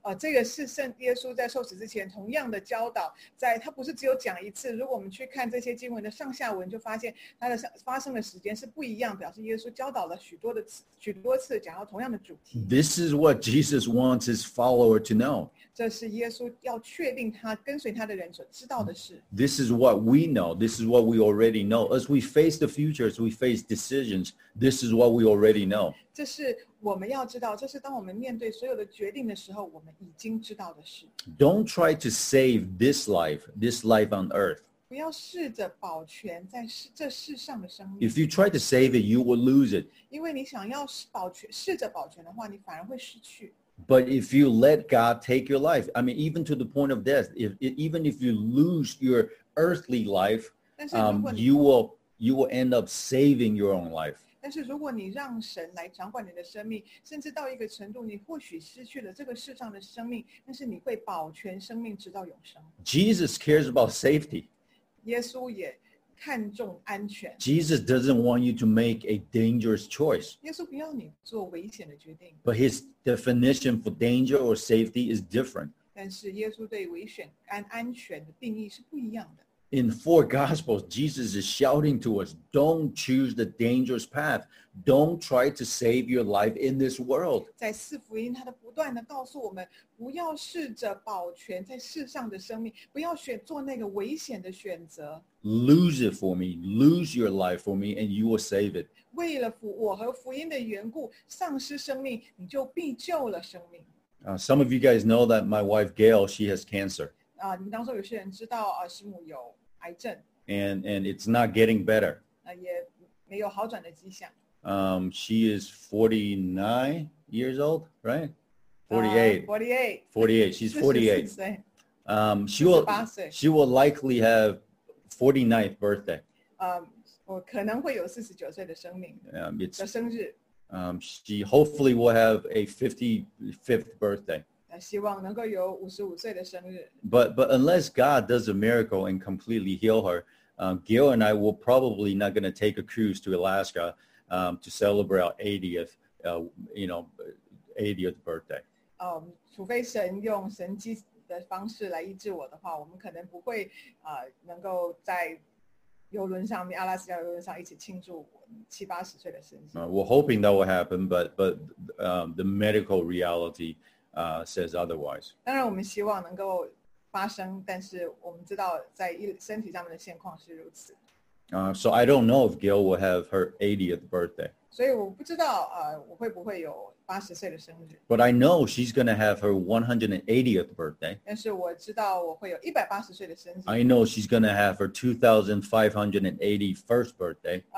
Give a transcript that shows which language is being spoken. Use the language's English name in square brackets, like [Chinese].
[Chinese] 这个是圣耶稣在受死之前同样的教导，在他不是只有讲一次。如果我们去看这些经文的上下文，就发现它的发生的时间是不一样，表示耶稣教导了许多次，讲到同样的主题。 [English] This is what Jesus wants his follower to know. [Chinese] 这是耶稣要确定他跟随他的人所知道的事。 [English] This is what we know. This is what we already know. As we face the future, as we face decisions, this is what we already know. [Chinese] 这是我们要知道，这是当我们面对所有的决定的时候，我们已经知道的事。 [English] Don't try to save this life on earth. [Chinese] 不要试着保全在这世上的生命。 [English] If you try to save it, you will lose it. [Chinese] 因为你想要试着保全的话，你反而会失去。 [English] But if you let God take your life, I mean, even to the point of death, even if you lose your earthly life, you will end up saving your own life. [Chinese] 但是如果你让神来掌管你的生命，甚至到一个程度，你或许失去了这个世上的生命，但是你会保全生命直到永生。 [English] Jesus cares about safety. [Chinese] 耶稣也看重安全。 [English] Jesus doesn't want you to make a dangerous choice. [Chinese] 耶稣不要你做危险的决定。 [English] But his definition for danger or safety is different. [Chinese] 但是耶稣对危险跟安全的定义是不一样的。 [English] In four Gospels, Jesus is shouting to us, don't choose the dangerous path. Don't try to save your life in this world. [Chinese] 在四福音，他都不断地告诉我们，不要试着保全在世上的生命，不要做那个危险的选择。 [English] Lose it for me. Lose your life for me, and you will save it. [Chinese] 为了我和福音的缘故，丧失生命，你就必救了生命。 [English] Some of you guys know that my wife Gail, she has cancer. [Chinese] 你们当中有些人知道师母有癌症。 [English] And it's not getting better. [Chinese] 也没有好转的迹象。 [English] She is 49 years old, right? 48. She's 48. [Chinese] 48岁。 [English] She will likely have 49th birthday. [Chinese] 我可能会有49岁的生命。的生日。 [English] She hopefully will have a 55th birthday. [Chinese] 希望能够有55岁的生日。 [English] But unless God does a miracle and completely heal her, Gail and I will probably not going to take a cruise to Alaska to celebrate our 80th birthday. [Chinese] 除非神用神迹的方式来医治我的话，我们可能不会能够在游轮上面，阿拉斯加游轮上一起庆祝七八十岁的生日。 [English] We're hoping that will happen, but the medical reality. Says otherwise. [Chinese] 当然我们希望能够发生，但是我们知道在身体上面的现况是如此。 [English] So I don't know if Gail will have her 80th birthday. [Chinese] 所以我不知道我会不会有80岁的生日。 [English] But I know she's going to have her 180th birthday. [Chinese] 但是我知道我会有180岁的生日。 [English] I know she's going to have her 2581st birthday.